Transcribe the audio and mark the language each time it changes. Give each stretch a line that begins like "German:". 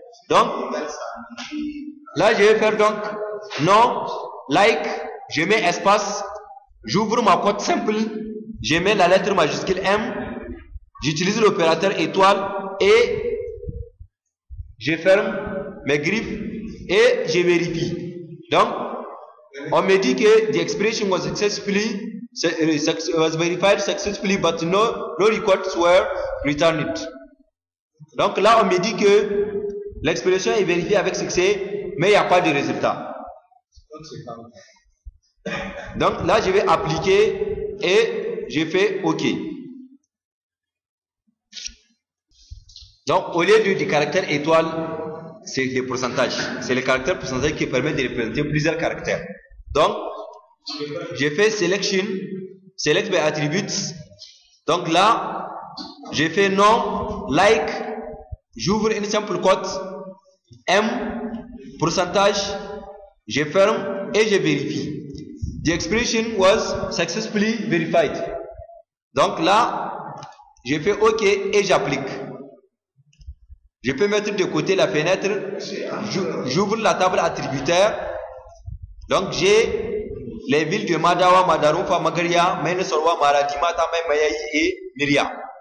French: Donc, là je vais faire donc nom, like, je mets espace, j'ouvre ma cote simple, je mets la lettre majuscule M, j'utilise l'opérateur étoile et je ferme mes griffes et je vérifie. Donc, on me dit que
English: the expression was successfully was verified successfully, but no records were returned.
French: Donc là, on me dit que l'expression est vérifiée avec succès, mais il n'y a pas de résultat. Donc là, je vais appliquer et je fais OK. Donc, au lieu du caractère étoile, c'est le pourcentage. C'est le caractère pourcentage qui permet de représenter plusieurs caractères. Donc, j'ai fait Selection, Select by Attributes. Donc là, j'ai fait Nom, Like, j'ouvre une simple cote, M, pourcentage, je ferme et je vérifie.
English: The expression was successfully verified.
French: Donc là, j'ai fait OK et j'applique. Je peux mettre de côté la fenêtre, j'ouvre la table attributaire. Donc j'ai les villes de Madawa, Madarufa, Magaria, Menesorwa, Maradi, Matamay, Mayayi et Miria.